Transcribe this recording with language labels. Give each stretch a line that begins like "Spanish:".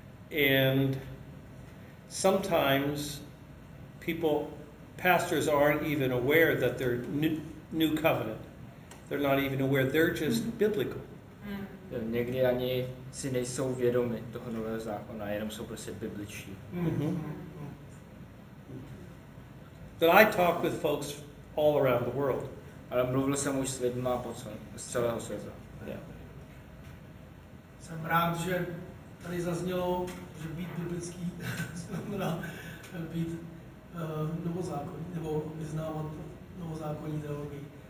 English: And sometimes people, pastors aren't even aware that they're new covenant. They're not even aware. They're just biblical.
Czech: Někdy ani si nejsou vědomi toho nového zákona, jenom jsou prostě bibličtí.
English: But I talk with folks all around the world.
Czech: Ale mluvil jsem už s lidmi z celého světa. Jsem rád, že tady zaznělo, že být biblický znamená být novozákonní, nebo vyznávat novozákonní teologii.